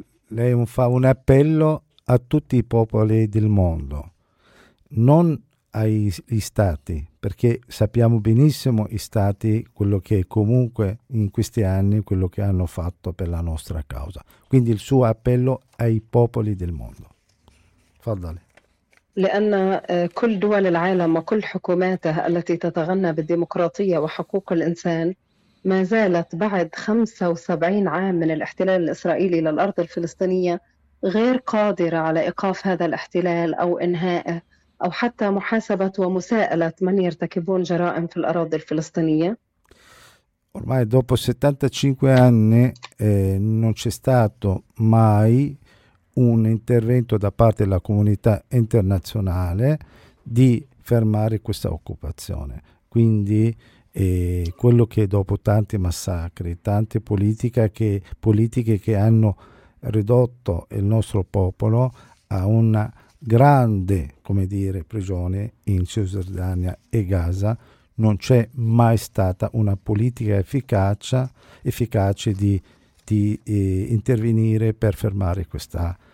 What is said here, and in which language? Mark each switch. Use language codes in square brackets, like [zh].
[ar] لي مفا [it] un appello a tutti i popoli del mondo, non agli stati, perché sappiamo benissimo gli stati quello che comunque in questi anni quello che hanno fatto per la nostra causa. Quindi il suo appello ai popoli del mondo. [ar] Faddale. لأن كل دول العالم وكل حكوماتها التي تتغنى بالديمقراطية وحقوق الإنسان ما زالت بعد 75 عام من الاحتلال الإسرائيلي للأرض الفلسطينية غير قادرة على إيقاف هذا الاحتلال أو إنهائه أو حتى محاسبة ومساءلة من يرتكبون جرائم في الأراضي الفلسطينية. [it] Ormai dopo 75 anni non c'è stato mai un intervento da parte della comunità internazionale di fermare questa occupazione. Quindi quello che dopo tanti massacri, tante politiche che hanno ridotto il nostro popolo a una grande, come dire, prigione in Cisgiordania e Gaza, non c'è mai stata una politica efficace di intervenire per fermare questa